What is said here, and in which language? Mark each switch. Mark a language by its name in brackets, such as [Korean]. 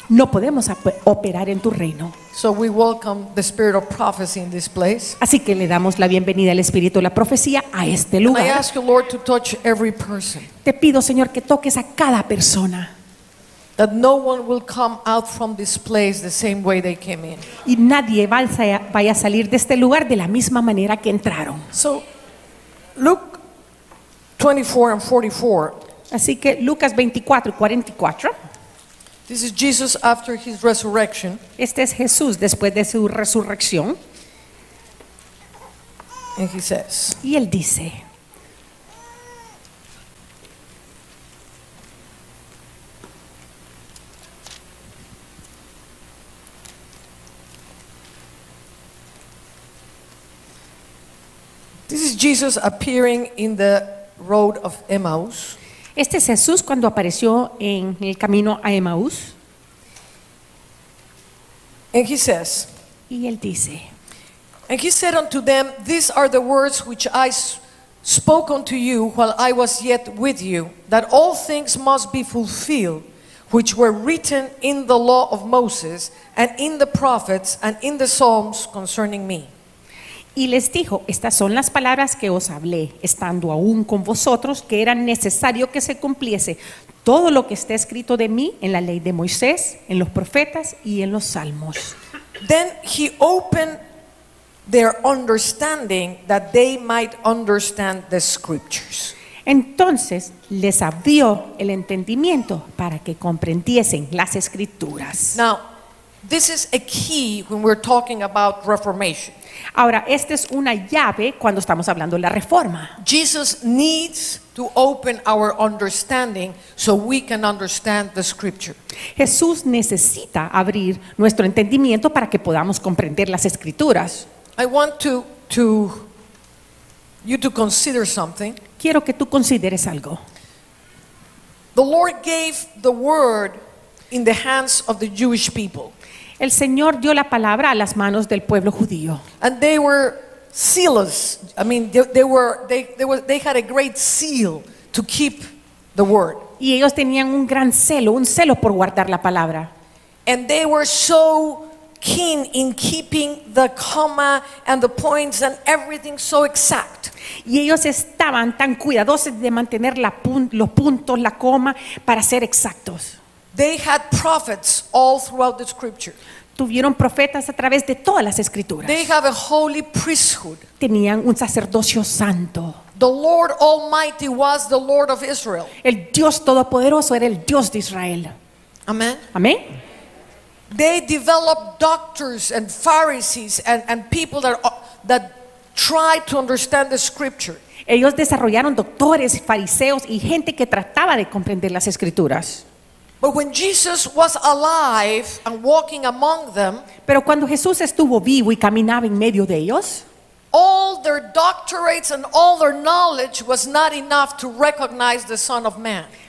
[Spanish] No podemos operar en tu reino. [English] So we welcome the spirit of prophecy in this place. [Spanish] Así que le damos la bienvenida al espíritu de la profecía a este lugar. [English] And I ask you, Lord, to touch every person. [Spanish] Te pido, Señor, que toques a cada persona. [English] That no one will come out from this place the same way they came in. [Spanish] Y nadie vaya a salir de este lugar de la misma manera que entraron. [English] So, Luke 24 and 44. [Spanish] Así que Lucas 24:44. [English] This is Jesus after his resurrection. [Spanish] Este es Jesús después de su resurrección. [English] And he says. [Spanish] Y él dice. [English] This is Jesus appearing in the road of Emmaus. [Spanish] Este es Jesús cuando apareció en el camino a Emmaus. [English] And he says. [Spanish] Y él dice. [English] And he said unto them, "These are the words which I spoke unto you while I was yet with you, that all things must be fulfilled, which were written in the law of Moses and in the prophets and in the Psalms concerning me." [Spanish] Y les dijo, estas son las palabras que os hablé, estando aún con vosotros, que era necesario que se cumpliese todo lo que está escrito de mí en la ley de Moisés, en los profetas y en los salmos. [English] Then he opened their understanding that they might understand the scriptures. [Spanish] Entonces les abrió el entendimiento para que comprendiesen las escrituras. [English] Now, this is a key when we're talking about reformation. [Spanish] Ahora, esta es una llave cuando estamos hablando de la reforma. [English] Jesus needs to open our understanding so we can understand the scripture. [Spanish] Jesús necesita abrir nuestro entendimiento para que podamos comprender las escrituras. [English] I want you to consider something. [Spanish] Quiero que tú consideres algo. [English] The Lord gave the word in the hands of the Jewish people. [Spanish] El Señor dio la palabra a las manos del pueblo judío. [English] And they were zealous. I mean, they had a great zeal to keep the word. [Spanish] Y ellos tenían un celo por guardar la palabra. [English] And they were so keen in keeping the comma and the points and everything so exact. [Spanish] Y ellos estaban tan cuidadosos de mantener los puntos, la coma, para ser exactos. [English] They had prophets all throughout the scripture. [Spanish] Tuvieron profetas a través de todas las escrituras. [English] They have a holy priesthood. [Spanish] Tenían un sacerdocio santo. [English] The Lord Almighty was the Lord of Israel. [Spanish] El Dios Todopoderoso era el Dios de Israel. [English] Amen. [Spanish] Amen. [English] They developed doctors and Pharisees and people that tried to understand the scripture. [Spanish] Ellos desarrollaron doctores, fariseos y gente que trataba de comprender las escrituras. [English] But when Jesus was alive and walking among them, [Spanish] pero cuando Jesús estuvo vivo y caminaba en medio de ellos, [English] all their doctorates and all their knowledge was not enough to recognize the Son of Man.